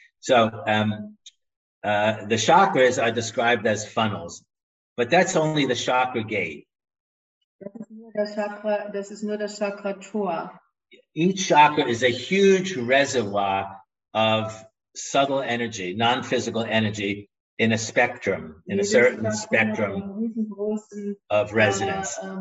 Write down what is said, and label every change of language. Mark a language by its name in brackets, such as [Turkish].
[English] So the chakras are described as funnels, but that's only the chakra gate. [German] Das ist nur das Chakra Tor. [English] Each chakra is a huge reservoir of subtle energy, non-physical energy, in a spectrum, in a certain spectrum of resonance.